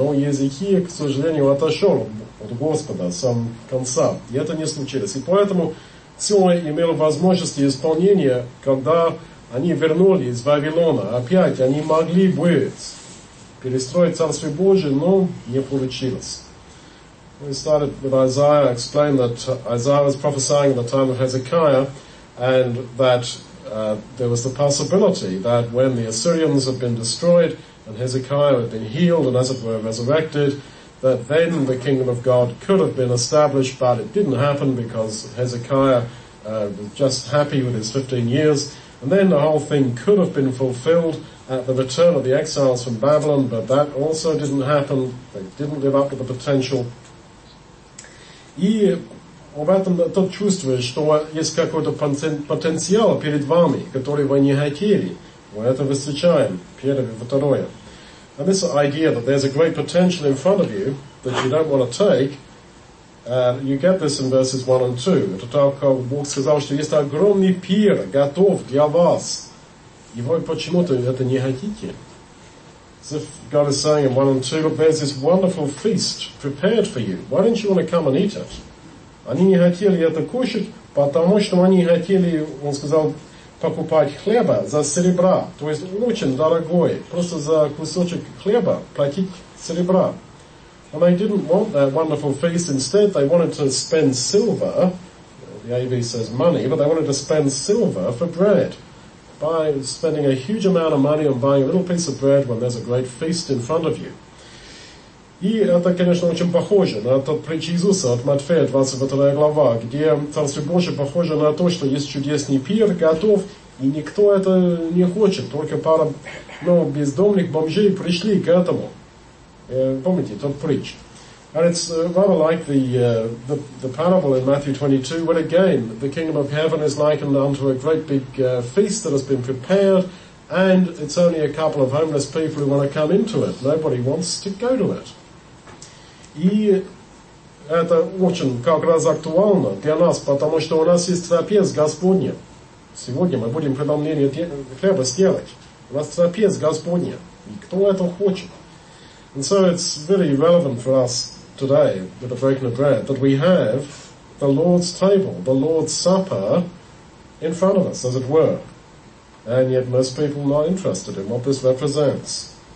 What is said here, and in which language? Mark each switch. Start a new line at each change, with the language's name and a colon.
Russian: Но Езекия, к сожалению, отошел от Господа с самого конца. И это не случилось. И поэтому Сион имел возможность исполнения, когда они вернулись из Вавилона. Опять они могли бы перестроить Царство Божие, но не получилось.
English: We started with Isaiah explaining that Isaiah was prophesying in the time of Hezekiah and that there was the possibility that when the Assyrians had been destroyed and Hezekiah had been healed and as it were resurrected, that then the kingdom of God could have been established, but it didn't happen because Hezekiah was just happy with his 15 years. And then the whole thing could have been fulfilled at the return of the exiles from Babylon, but that also didn't happen. They didn't live up to the potential.
Russian: И об этом то чувствуешь, что есть какой-то потенциал перед вами, который вы не хотели. Мы это встречаем. Первое, второе.
English: And this idea that there's a great potential in front of you that you don't want to take, you get this in verses 1 and 2.
Russian: Это так, Бог сказал, что есть огромный пир готов для вас. И вы почему-то это не хотите.
English: As if God is saying in 1 and 2, look, there's this wonderful feast prepared for you. Why don't you want to come and eat it?
Russian: Они не хотели это кушать, потому что они хотели, он сказал, покупать хлеба за серебра. То есть очень дорогое, просто за кусочек хлеба платить серебра.
English: And they didn't want that wonderful feast. Instead, they wanted to spend silver, the AV says money, but they wanted to spend silver for bread. By spending a huge amount of money on buying a little piece of bread when there's a great feast in front of you.
Russian: И это, конечно, очень похоже на тот притч Иисуса от Матфея, 22 глава, где Царство Божие похоже на то, что есть чудесный пир, готов, и никто это не хочет. Только пара, бездомных бомжей пришли к этому. Помните тот притч?
English: And it's rather like the parable in Matthew 22, when again, the kingdom of heaven is likened unto a great big feast that has been prepared, and it's only a couple of homeless people who want to come into it. Nobody wants to go to it.
Russian: И это очень как раз актуально для нас, потому что у нас есть трапеза Господня. Сегодня мы будем преломление хлеба сделать. У нас трапеза Господня. И кто это хочет?
English: And so it's really relevant for us today with the breaking of bread that we have the Lord's table, the Lord's supper in front of us, as it were. And yet most people are not interested in what this represents.